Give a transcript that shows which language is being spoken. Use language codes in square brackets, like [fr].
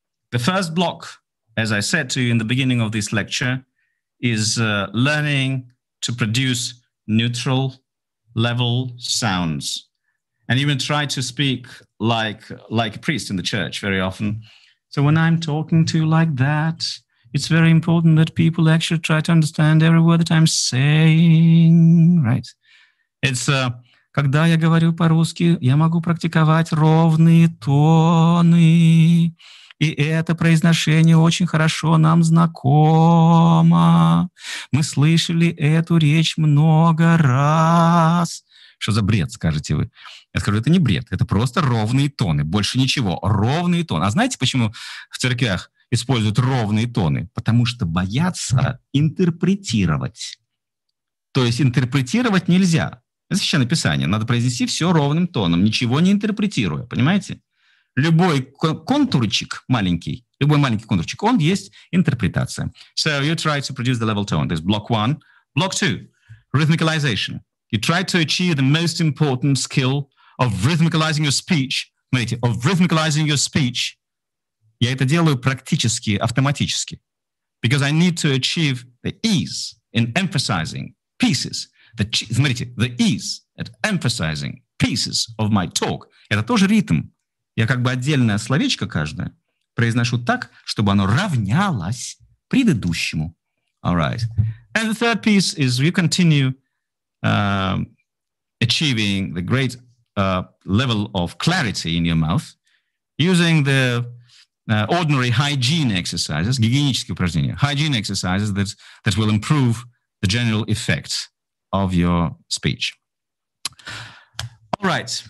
[en] The first block, as I said to you in the beginning of this lecture, is learning to produce neutral level sounds. And even try to speak like a priest in the church very often. So when I'm talking to you like that, it's very important that people actually try to understand every word that I'm saying, right? It's [ru] когда я говорю по-русски, я могу практиковать ровные тоны И это произношение очень хорошо нам знакомо. Мы слышали эту речь много раз. Что за бред, скажете вы? Я скажу, это не бред, это просто ровные тоны, больше ничего, ровные тоны. А знаете, почему в церквях используют ровные тоны? Потому что боятся интерпретировать. То есть интерпретировать нельзя. Это Священное Писание. Надо произнести все ровным тоном, ничего не интерпретируя, понимаете? Любой контурчик маленький, любой маленький контурчик, он есть интерпретация. [en] So you try to produce the level tone. There's block one. Block two, rhythmicalization. You try to achieve the most important skill of rhythmicalizing your speech. [ru] Смотрите, [en] of rhythmicalizing your speech. [ru] Я это делаю практически автоматически. [en] Because I need to achieve the ease in emphasizing pieces. [ru] Смотрите, [en] the ease at emphasizing pieces of my talk. [ru] Это тоже ритм. Я как бы отдельное словечко каждое произношу так, чтобы оно равнялось предыдущему. [en] All right. And the third piece is you continue achieving the great level of clarity in your mouth using the ordinary hygiene exercises, [ru] гигиенические упражнения, [en] hygiene exercises that will improve the general effect of your speech. All right.